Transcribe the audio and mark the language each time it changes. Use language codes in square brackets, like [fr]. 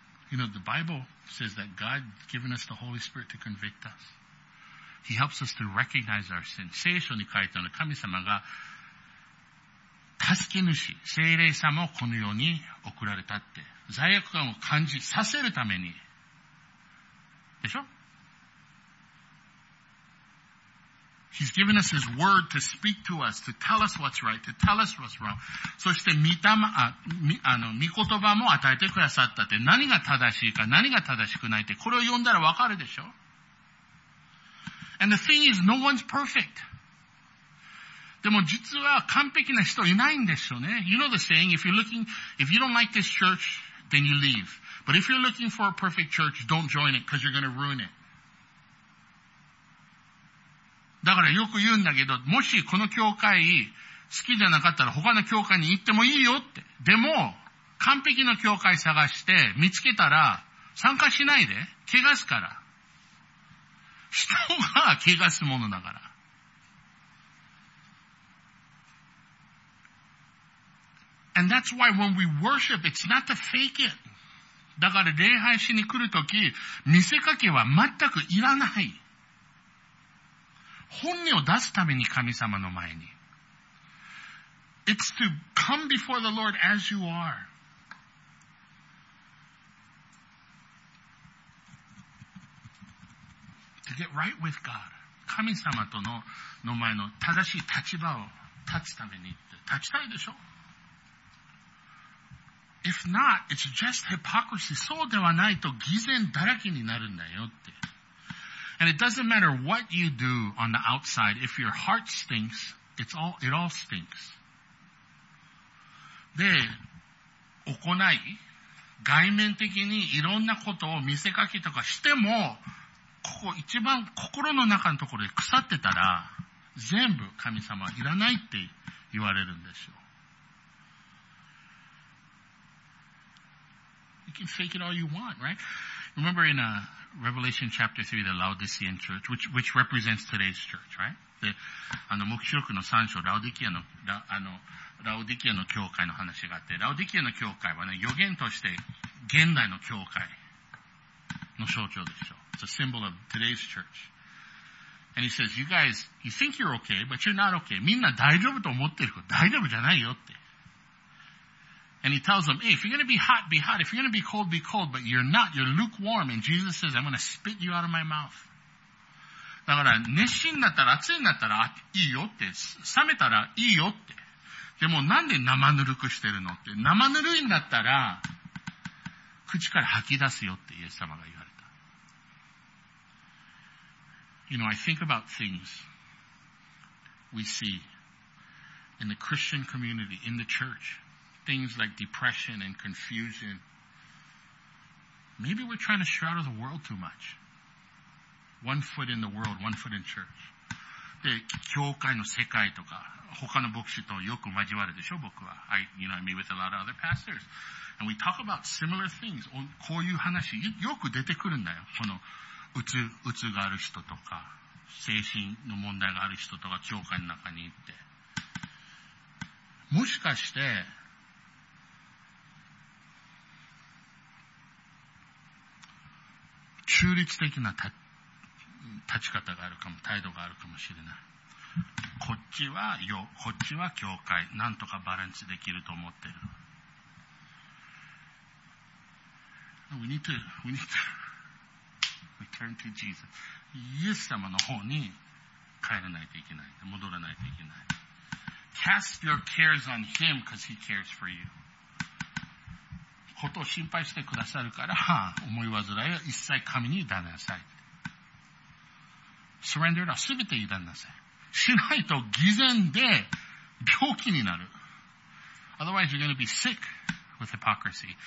[en] You know, the Bible says that God has given us the Holy Spirit to convict us. He helps us to recognize our sin. [ja] 聖書に書いてある神様が、助け主、聖霊様をこの世に送られたって、罪悪感を感じさせるために。でしょ？ [en] He's given us His word to speak to us, to tell us what's right, to tell us what's wrong. [ja] そして御言葉も与えてくださったって、何が正しいか何が正しくないって、これを読んだらわかるでしょ。 [en] And the thing is, no one's perfect. [ja] でも実は完璧な人いないんですよね。 [en] You know the saying, if you don't like this church, then you leave. But if you're looking for a perfect church, don't join it, because you're going to ruin it. [ja] だからよく言うんだけど、もしこの教会好きじゃなかったら他の教会に行ってもいいよって。でも、完璧な教会探して見つけたら参加しないで。怪我すから。人が怪我すものだから。 [en] And that's why when we worship, it's not to fake it. [ja] だから礼拝しに来るとき、見せかけは全くいらない。本音を出すために神様の前に。 [en] It's to come before the Lord as you are. To get right with God. [ja] 神様との、の前の正しい立場を立つためにって、立ちたいでしょ？ [en] If not, it's just hypocrisy. [ja] そうではないと偽善だらけになるんだよって。 [en] And it doesn't matter what you do on the outside, if your heart stinks, it all stinks. [ja] で、行い、外面的にいろんなことを見せかけとかしても、ここ一番心の中のところで腐ってたら、全部神様はいらないって言われるんですよ。 [en] You can fake it all you want, right? Remember in a,Revelation chapter 3, the Laodicean church, which represents today's church, right? [ja] で、あの、黙示録の3章、ラオディキアの、ラオディキアの教会の話があって、ラオディキアの教会はね、予言として、現代の教会の象徴でしょ。 [en] It's a symbol of today's church. And he says, you guys, you think you're okay, but you're not okay. [ja] みんな大丈夫と思ってる子、大丈夫じゃないよって。 [en] And he tells them, hey, if you're going to be hot, be hot. If you're going to be cold, but you're not, you're lukewarm. And Jesus says, I'm going to spit you out of my mouth. [ja] だから、熱心だったら熱いんだったらいいよって、冷めたらいいよって。でもなんで生ぬるくしてるのって。生ぬるいんだったら、口から吐き出すよってイエス様が言われた。 [en] You know, I think about things we see in the Christian community, in the church. Things like depression and confusion. Maybe we're trying to shroud the world too much. One foot in the world, one foot in church. [ja] で、教会の世界とか、他の牧師とよく交わるでしょ、僕は。 [en] I meet with a lot of other pastors. And we talk about similar things. [ja] こういう話、よく出てくるんだよ。この、うつがある人とか、精神の問題がある人とか、教会の中に行って。もしかして、中立的な立ち方があるかも、態度があるかもしれない。こっちはよ、こっちは教会、なんとかバランスできると思ってる。 [en] We need to return to Jesus. [ja] イエス様の方に帰らないといけない。戻らないといけない。 [en] Cast your cares on him because he cares for you. [ja] ことを心配してくださるから、思い煩いを一切神に委ねなさい。 [en] Surrender it all. [ja] すべて委ねなさい。しないと偽善で病気になる。 [en] Otherwise you're going to be sick with hypocrisy.